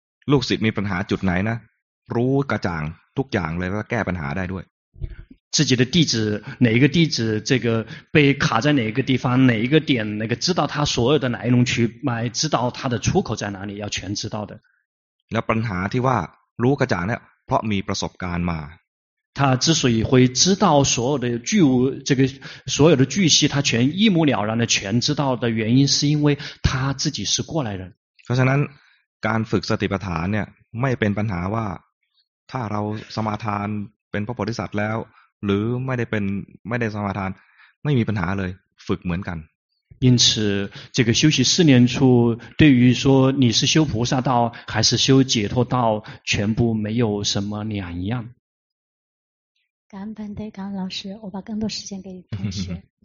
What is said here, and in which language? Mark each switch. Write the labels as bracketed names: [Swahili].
[Thai] ลูกศิษย์มีปัญหาจุดไหนนะรู้กระจ่างทุกอย่างเลยแล้วแก้ปัญหาได้ด้วย [Chinese] 自己的弟子哪一个弟子这个被卡在哪一个地方哪一个点那个知道他所有的来龙去脉知道他的出口在哪里要全知道的 [Thai] แล้วปัญหาที่ว่ารู้กระจ่างเนี่ยเพราะมีประสบการณ์มา [Chinese] 他之所以会知道所有的巨无这个所有的巨细他全一目了然的全知道的原因是因为他自己是过来人 [Thai] เพราะฉะนั้นการฝึกสติปัฏฐานเนี่ยไม่เป็นปัญหาว่าถ้าเราสมาทานเป็นพระโพธิสัตว์แล้วหรือไม่ได้สมาทานไม่มีปัญหาเลยฝึกเหมือนกัน [Chinese] 因此这个修习四念处对于说你是修菩萨道还是修解脱道全部没有什么两样感恩本队感恩老师我把更多时间给同学